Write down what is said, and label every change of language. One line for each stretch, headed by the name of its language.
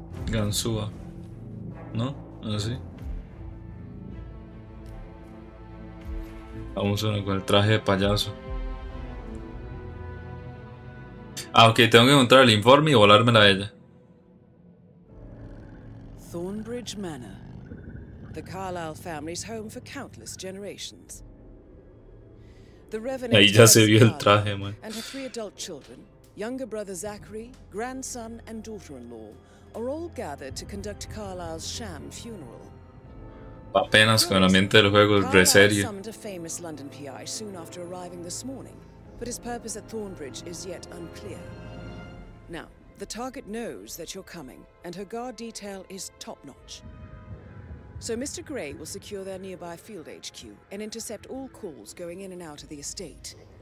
Spanish: Gansúa. ¿No? Así. Vamos con el traje de payaso. Ah, ok, tengo que encontrar el informe y volármela a ella.
English: Thornbridge Manor, the Carlyle family's home for countless generations.
Spanish: The revenant. Ahí ya se vio el traje, man.
English: And her three adult children, younger brother Zachary, grandson, and daughter-in-law, are all gathered to conduct Carlyle's sham funeral.
Spanish: Apenas con el ambiente del juego, re serio.
English: Summoned a famous London PI soon after arriving this morning. But his purpose at Thornbridge is yet unclear. Now, the target knows that you're coming, and her guard detail is top-notch. So Mr. Gray will secure their nearby field HQ and intercept all calls going in and out of the estate.